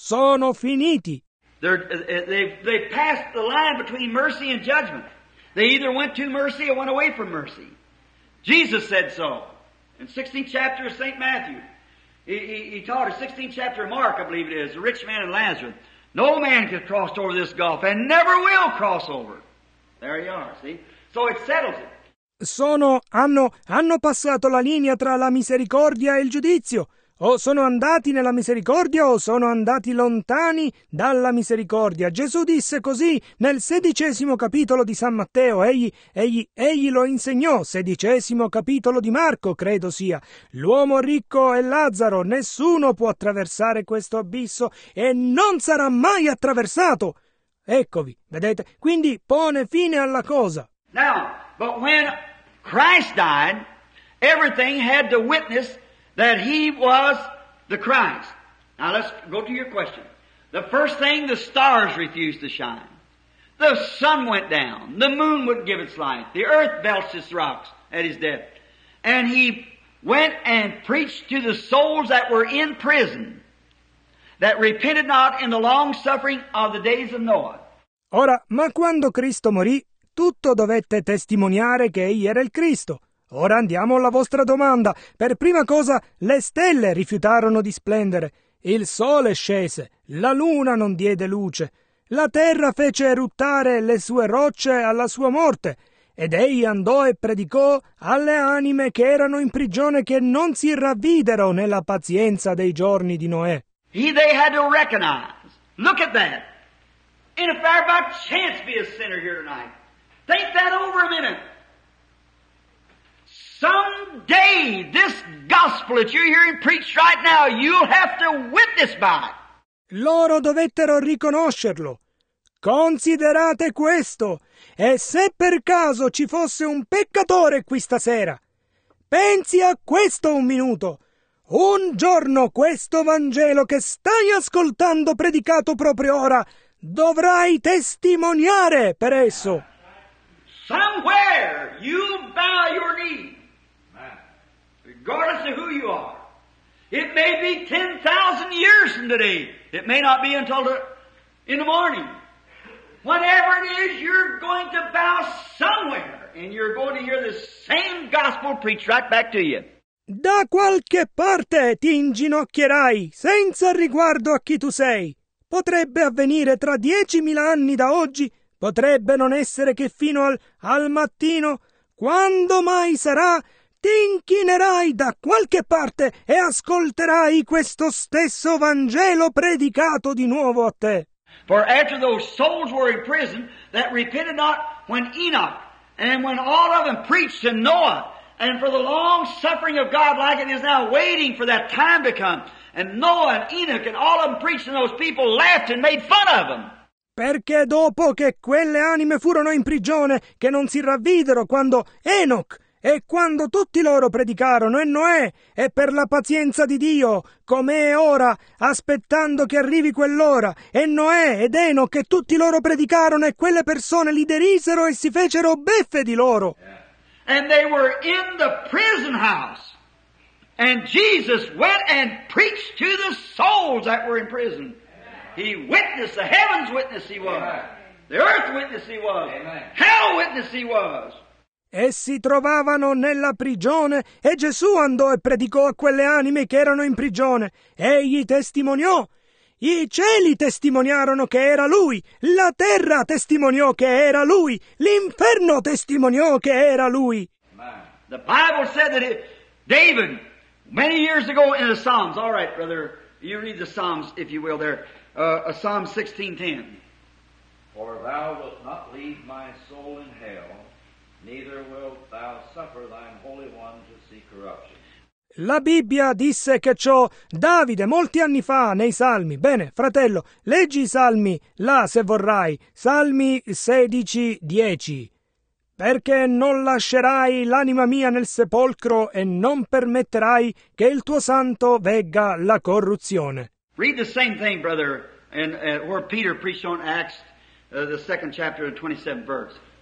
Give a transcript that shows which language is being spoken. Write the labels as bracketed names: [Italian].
[Italian] Sono finiti. [English] They passed the line between mercy and judgment. They either went to mercy or went away from mercy. Jesus said so in 16th chapter of St. Matthew. He taught a 16th chapter of Mark, I believe it is, the rich man and Lazarus. No man could cross over this gulf and never will cross over. There you are, see? So it settles it. [Italian] Hanno passato la linea tra la misericordia e il giudizio. O sono andati nella misericordia o sono andati lontani dalla misericordia. Gesù disse così nel 16° capitolo di San Matteo. Egli lo insegnò. 16° capitolo di Marco, credo sia. L'uomo ricco è Lazzaro. Nessuno può attraversare questo abisso e non sarà mai attraversato. Eccovi, vedete? Quindi pone fine alla cosa. [English] Now, but when Christ died, everything had to witness that he was the Christ. Now let's go to your question. The first thing, the stars refused to shine. The sun went down. The moon wouldn't give its light. The earth belched its rocks at his death. And he went and preached to the souls that were in prison. that repented not in the long suffering of the days of Noah. [Italian] Ora, ma quando Cristo morì, tutto dovette testimoniare che egli era il Cristo. Ora andiamo alla vostra domanda. Per prima cosa, le stelle rifiutarono di splendere. Il sole scese, la luna non diede luce. La terra fece eruttare le sue rocce alla sua morte. Ed egli andò e predicò alle anime che erano in prigione che non si ravvidero nella pazienza dei giorni di Noè. [English] They had to recognize. Look at that. In a fair by chance be a sinner here tonight. Think that over a minute. Someday this gospel that you're hearing preached right now, you'll have to witness by. [Italian] Loro dovettero riconoscerlo. Considerate questo, e se per caso ci fosse un peccatore qui stasera, pensi a questo un minuto. Un giorno questo Vangelo che stai ascoltando predicato proprio ora, dovrai testimoniare per esso. [English] Somewhere you bow your knee, regardless of who you are. It may be 10,000 years from today. It may not be until in the morning. Whatever it is, you're going to bow somewhere and you're going to hear the same gospel preached right back to you. [Italian] Da qualche parte ti inginocchierai, senza riguardo a chi tu sei. Potrebbe avvenire tra 10.000 anni da oggi, potrebbe non essere che fino al mattino. Quando mai sarà, ti inchinerai da qualche parte e ascolterai questo stesso Vangelo predicato di nuovo a te. [English] For after those souls were in prison that repented not when Enoch and when all of them preached to Noah and for the long suffering of God like it is now waiting for that time to come and Noah and Enoch and all of them preached and those people laughed and made fun of them. [Italian] Perché dopo che quelle anime furono in prigione che non si ravvidero quando Enoch e quando tutti loro predicarono, e Noè, e per la pazienza di Dio, come è ora, aspettando che arrivi quell'ora, e Noè ed Enoch e tutti loro predicarono, e quelle persone li derisero e si fecero beffe di loro. [English] And they were in the prison house. And Jesus went and preached to the souls that were in prison. He witnessed, the heaven's witness he was. The earth witness he was. Hell witness he was. [Italian] Essi trovavano nella prigione e Gesù andò e predicò a quelle anime che erano in prigione. Egli testimoniò. I cieli testimoniarono che era lui. La terra testimoniò che era lui. L'inferno testimoniò che era lui. [English] The Bible said that David, many years ago in the Psalms, all right, brother, you read the Psalms, if you will, there, Psalm 16:10. For thou wilt not leave my soul in hell, neither wilt thou suffer thine holy one to see corruption. [Italian] La Bibbia disse che ciò Davide molti anni fa nei Salmi. Bene, fratello, leggi i Salmi là se vorrai. Salmi 16:10. Perché non lascerai l'anima mia nel sepolcro e non permetterai che il tuo santo vegga la corruzione. [English] Read the same thing, brother, and where Peter preached on Acts, the second chapter, the 27th verse.